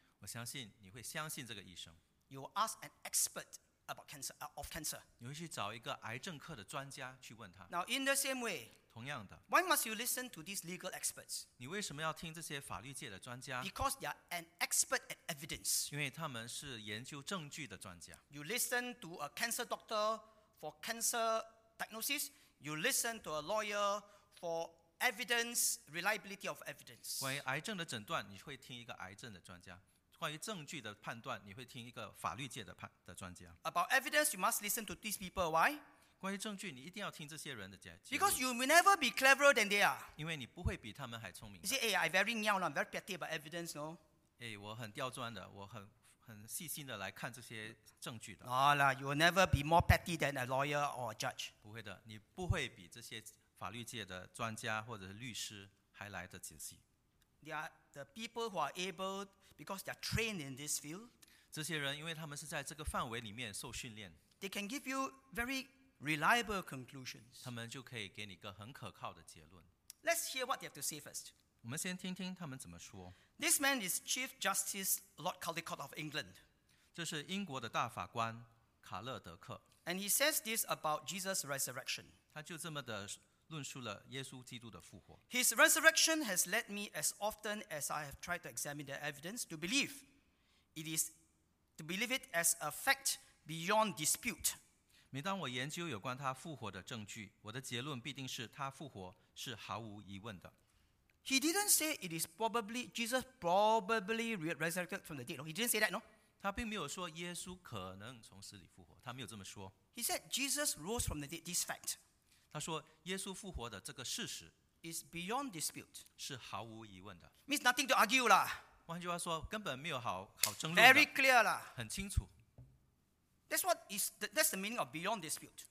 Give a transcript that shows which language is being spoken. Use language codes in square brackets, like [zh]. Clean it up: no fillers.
[zh] 我相信你会相信这个医生。 [en] You will ask an expert, about cancer, of cancer. [zh] 你会去找一个癌症科的专家去问他。 [en] Now in the same way, [zh] 同样的 [en] why must you listen to these legal experts? [zh] 你为什么要听这些法律界的专家？ [en] Because they are an expert at evidence. [zh] 因为他们是研究证据的专家。 [en] You listen to a cancer doctor for cancer diagnosis. You listen to a lawyer for evidence, reliability of evidence. [zh] 关于癌症的诊断，你会听一个癌症的专家。关于证据的判断，你会听一个法律界 的专家。 [en] About evidence, you must listen to these people. Why? [zh] 关于证据，你一定要听这些人的解释。 [en] Because you will never be cleverer than they are. [zh] 因为你不会比他们还聪明。 [en] You say, "Hey, I very niao, I'm very petty about evidence, no?" [zh] 哎，我很刁钻的，我很细心的来看这些证据的。 [en] No, no, you will never be more petty than a lawyer or a judge. [zh] 不会的，你不会比这些法律界的专家或者是律师还来得仔细。 [en] They are the people who are able because they are trained in this field. [zh] 这些人因为他们是在这个范围里面受训练。 [en] They can give you very reliable conclusions. [zh] 他们就可以给你一个很可靠的结论。 [en] Let's hear what they have to say first. [zh] 我们先听听他们怎么说。 [en] This man is Chief Justice Lord Caldecott of England. [zh] 这是英国的大法官卡勒德克。 [en] And he says this about Jesus' resurrection. [zh] 他就这么的。论述了耶稣基督的复活。 [en] His resurrection has led me as often as I have tried to examine the evidence to believe it is to believe it as a fact beyond dispute. [zh] 每当我研究有关他复活的证据，我的结论必定是他复活是毫无疑问的。 [en] He didn't say it is probably Jesus probably resurrected from the dead. No, he didn't say that. No, [zh] 他并没有说耶稣可能从死里复活，他没有这么说。 [en] He said Jesus rose from the dead. This fact. [zh] 他说耶稣复活的这个事实 [en] is beyond dispute [zh] 是毫无疑问的 [en] means nothing to argue 啦 [zh] 换句话说根本没有 好争论的 [en] very clear 啦 [zh] 很清楚 [en] that's what is that's the meaning of beyond dispute